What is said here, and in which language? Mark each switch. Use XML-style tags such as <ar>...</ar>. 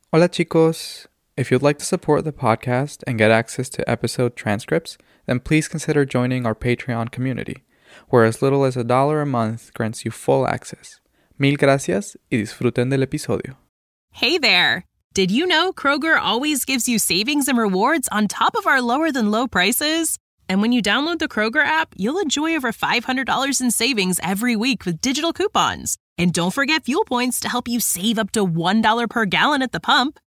<es>Hola chicos,</es> <en>if you'd like to support the podcast and get access to episode transcripts, then please consider joining our Patreon community, where as little as a dollar a month grants you full access.</en> <es>Mil gracias y disfruten del episodio.</es> <en>Hey there! Did you know Kroger always gives you savings and rewards on top of our lower than low prices? And when you download the Kroger app, you'll enjoy over $500 in savings every week with digital coupons. And don't forget fuel points to help you save up to $1 per gallon at the pump.</en>